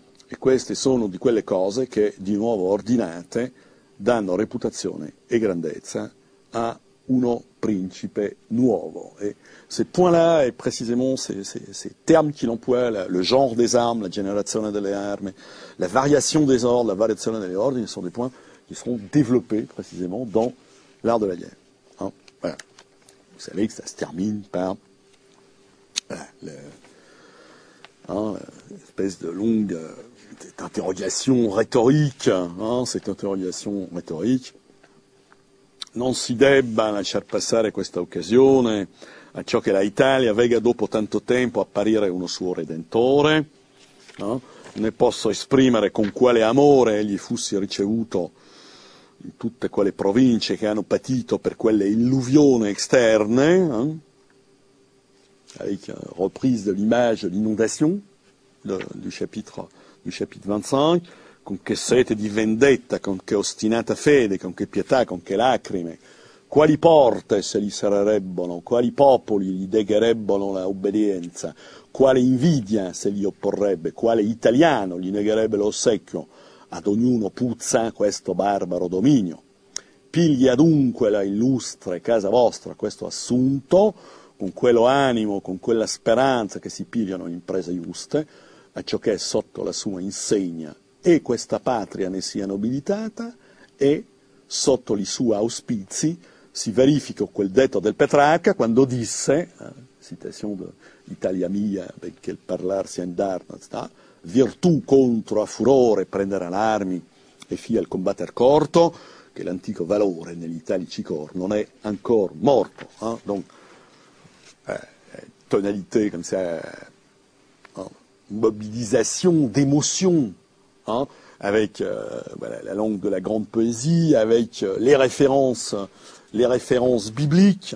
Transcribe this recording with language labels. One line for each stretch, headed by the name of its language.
Italian: e queste sono di quelle cose che, di nuovo ordinate, danno reputazione e grandezza a uno principe nuovo.
French: » Et ce point-là est précisément ces termes qu'il emploie, le genre des armes, la génération des armes, la variation des ordres, la variation des ordres, ce sont des points qui seront développés précisément dans l'art de la guerre. Hein? Voilà. Vous savez que ça se termine par l'espèce de longue interrogation rhétorique, hein, cette interrogation rhétorique.
Italian: Non si debba lasciar passare questa occasione a ciò che l'Italia vega dopo tanto tempo apparire uno suo redentore, no? Ne posso esprimere con quale amore egli fosse ricevuto in tutte quelle province che hanno patito per quelle illuvioni esterne, no?
French: Avec reprise de l'image de l'inondation du chapitre 25.
Italian: Con che sete di vendetta, con che ostinata fede, con che pietà, con che lacrime, quali porte se li serrerebbero, quali popoli gli negherebbero la obbedienza, quale invidia se li opporrebbe, quale italiano gli negherebbe l'ossequio, ad ognuno puzza questo barbaro dominio. Pigli adunque la illustre casa vostra questo assunto, con quello animo, con quella speranza che si pigliano le imprese giuste, a ciò che è sotto la sua insegna, e questa patria ne sia nobilitata, e sotto i suoi auspizi si verifica quel detto del Petrarca quando disse,
French: citation de
Italian: Italia mia, benché il parlar sia in darno, virtù contro a furore prenderà l'armi e fia il combatter corto, che l'antico valore negli italici cor non è ancora morto.
French: Donc, tonalité,
Italian: come si è,
French: mobilisation d'émotion. Hein, avec la langue de la grande poésie, avec les références bibliques.